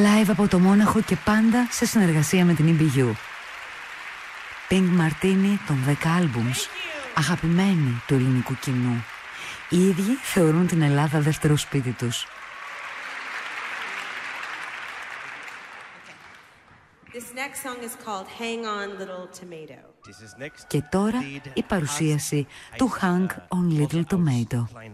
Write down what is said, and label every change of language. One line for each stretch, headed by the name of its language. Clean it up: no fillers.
Greek: Από το Μόναχο και πάντα σε συνεργασία με την EBU. Pink Martini των 10 albums, αγαπημένη του ελληνικού κοινού. Οι ίδιοι θεωρούν την Ελλάδα δεύτερο σπίτι τους.
English: This next song is called Hang On Little Tomato.
Greek: Και τώρα η παρουσίαση του Hang On Little Tomato.